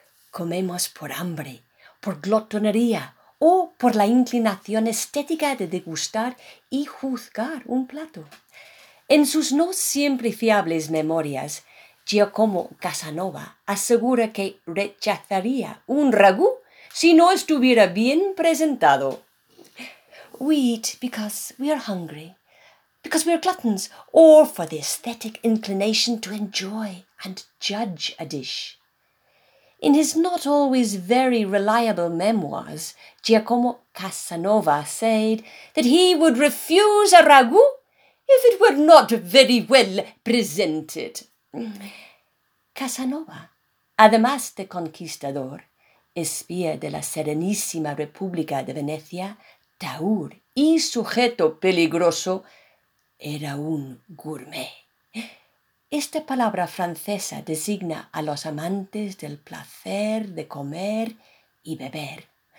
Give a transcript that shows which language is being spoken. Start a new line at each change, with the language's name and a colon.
Spanish: Comemos por hambre, por glotonería o por la inclinación estética de degustar y juzgar un plato. En sus no siempre fiables memorias, Giacomo Casanova asegura que rechazaría un ragú si no estuviera bien presentado.
English: We eat because we are hungry, because we are gluttons, or for the aesthetic inclination to enjoy and judge a dish. In his not always very reliable memoirs, Giacomo Casanova said that he would refuse a ragù if it were not very well presented.
Spanish: Casanova, además de conquistador, espía de la Serenísima República de Venecia, taur y sujeto peligroso, era un gourmet. Esta palabra francesa designa a los amantes del placer de comer y beber.